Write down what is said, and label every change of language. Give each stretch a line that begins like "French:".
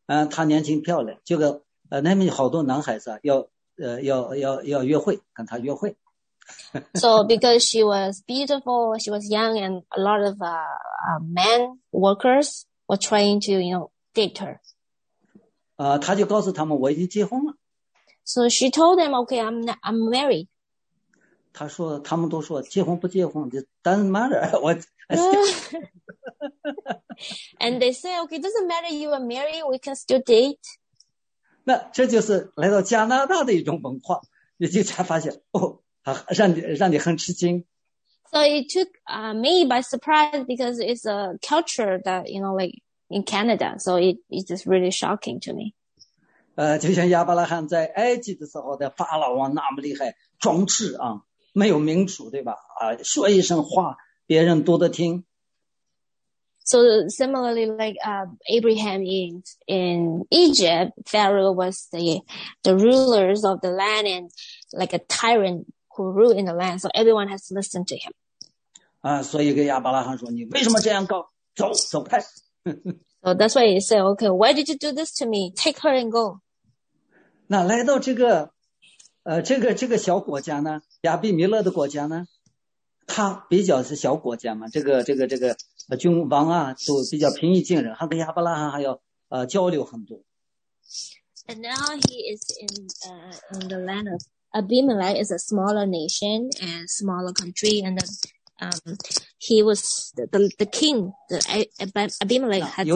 Chinese: 她年轻漂亮，就跟那边好多男孩子啊，要约会，跟她约会。
English: So because she was beautiful, she was young, and a lot of men workers were trying to, you know, date her.
Chinese: 她就告诉他们我已经结婚了。
English: So she told them, "Okay, I'm married."
Chinese: 他说，他们都说结婚不结婚就
English: doesn't matter. And they say, "Okay, doesn't matter. You are married. We can still date."
Chinese: 那这就是来到加拿大的一种文化，你就才发现哦，让你很吃惊。
English: So it took me by surprise because it's a culture that you know, like in Canada. So it is really shocking to me.
Chinese: 就像亚伯拉罕在埃及的时候的法老王那么厉害装置啊没有民主对吧啊说一声话别人多得听。
English: So similarly, like, Abraham in Egypt, Pharaoh was the rulers of the land and like a tyrant who ruled in the land. So everyone has to listen to him.
Chinese: 所以跟亚伯拉罕说你为什么这样搞走走开。
English: So that's why he said, okay, why did you do this to me? Take her and go.
Chinese: 那来到这个小国家呢，亚比米勒的国家呢，他比较是小国家嘛，这个君王啊都比较平易近人，还跟亚伯拉罕还要交流很多。
English: And now he is in the land of Abimelech is a smaller nation and smaller country and then,he was the king, the Abimelech had